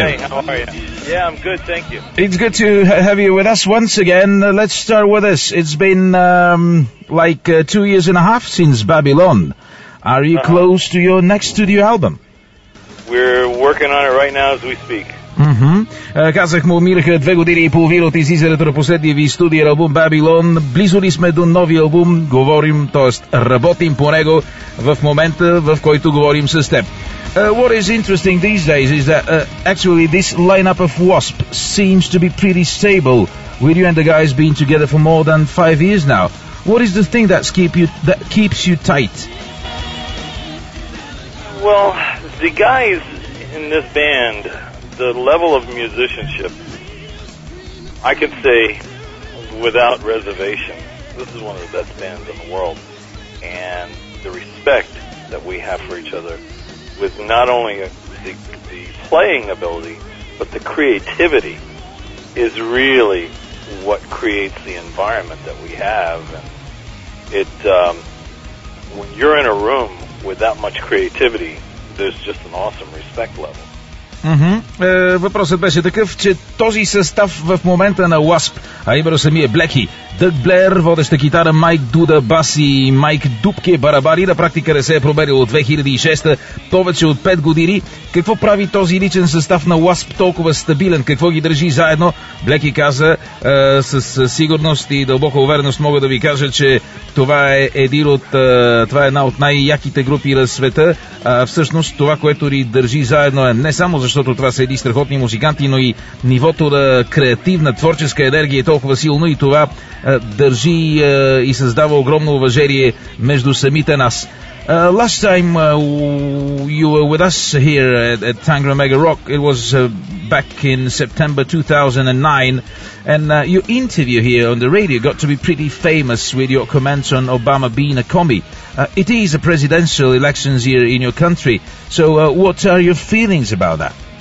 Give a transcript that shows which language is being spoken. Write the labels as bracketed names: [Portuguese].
[English] Hi, how are you? Yeah, I'm good, thank you. It's good to have you with us once again. Let's start with this. It's been like 2 years and a half since Babylon. Are you close to your next studio album? We're working on it right now as we speak. Mm-hmm. [Bulgarian] Казах му, минаха две години и половина от излизането на последния ви студиен албум Babylon. Близо ли сме до новия албум? Говорим, т.е. работим по него в момента, в който говорим с теб. [English] What is interesting these days is that actually this lineup of Wasp seems to be pretty stable with you and the guys being together for more than 5 years now. What is the thing that's that keeps you tight? Well, the guys in this band, the level of musicianship, I can say without reservation, this is one of the best bands in the world. And the respect that we have for each other, with not only the playing ability, but the creativity, is really what creates the environment that we have. And it, when you're in a room with that much creativity, there's just an awesome respect level. Mm-hmm. [Bulgarian] Въпросът беше такъв, че този състав в момента на Wasp, а именно самия Блеки, Дъг Блер, водеща китара, Майк Дуда, бас и Майк Дубке, барабари, на практика не се е проверил от 2006-та, повече от 5 години. Какво прави този личен състав на Wasp толкова стабилен? Какво ги държи заедно? Блеки каза, с сигурност и дълбока увереност мога да ви кажа, че това е един от, това е една от най-яките групи на света. Всъщност това, което ни държи заедно, е не само защото това са едни страхотни музиканти, но и нивото на креативна, творческа енергия е толкова силно и това държи и създава огромно уважение между самите нас. [English] Last time you were with us here at Tangra Mega Rock, it was back in September 2009, and your interview here on the radio got to be pretty famous with your comments on Obama being a commie. It is a presidential elections year in your country, so what are your feelings about that?